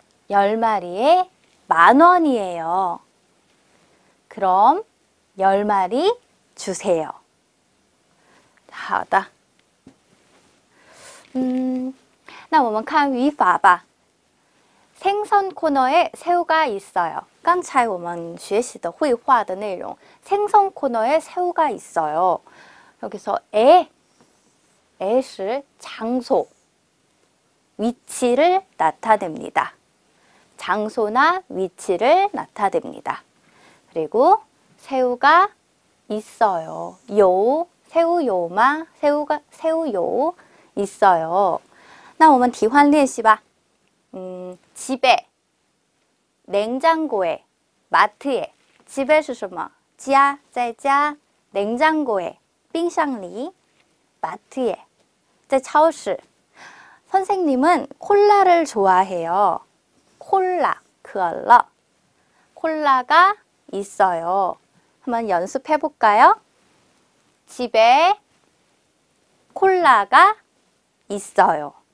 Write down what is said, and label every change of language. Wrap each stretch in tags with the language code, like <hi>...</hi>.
<ko>10마리에 10,000원이에요. 그럼 10마리 주세요.</ko> <zh>好的. 那我们看语法吧.</zh> <ko>생선 코너에 새우가 있어요.</ko> <zh>刚才我们学习的绘画的内容.</zh> <ko>생선 코너에 새우가 있어요. 여기서 에, 에시 장소, 위치를 나타냅니다. 장소나 위치를 나타냅니다. 그리고 새우가 있어요. 요, 새우 요마, 새우가 새우 요 있어요.</ko> <zh>那我们替换练习吧.</zh> <ko>집에, 냉장고에, 마트에. 집에</ko> <zh>是什么? 家, 在家, 냉장고에, 冰箱里, 마트에, 在超市.</zh> <ko>선생님은 콜라를 좋아해요. 콜라, 콜라. 콜라가 있어요. 한번 연습해 볼까요? 집에 콜라가 있어요.</ko>